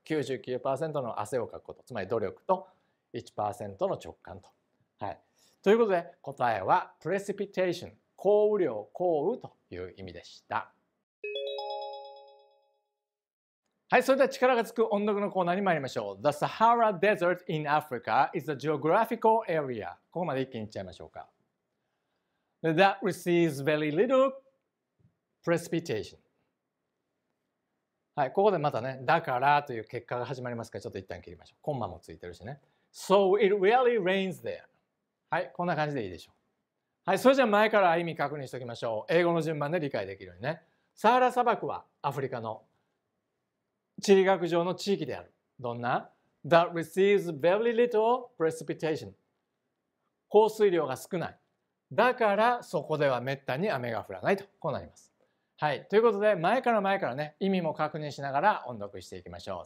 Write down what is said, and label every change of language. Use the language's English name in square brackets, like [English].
[Japanese] 99% の汗をかくこと。つまり努力と 1% の直感と。はい。ということで答えはプレシピテーション。降雨量、降雨という意味でした。はい。それでは力がつく音読のコーナーに参りましょう。 [English] The Sahara Desert in Africa is a geographical area. [Japanese] ここまで一気にいっちゃいましょうか。 [English] That receives very little. Precipitation. [Japanese] はい、ここでまたね、だからという結果が始まりますから、ちょっと一旦切りましょう。コンマもついてるしね。 [English] So it really rains there. [Japanese] はい、こんな感じでいいでしょう。はい、それじゃあ前から意味確認しておきましょう。英語の順番で理解できるようにね。サハラ砂漠はアフリカの地理学上の地域である。どんな [English] ?That receives very little precipitation. [Japanese] 降水量が少ない。だからそこではめったに雨が降らないと、こうなります。はい、ということで前からね、意味も確認しながら音読していきましょう。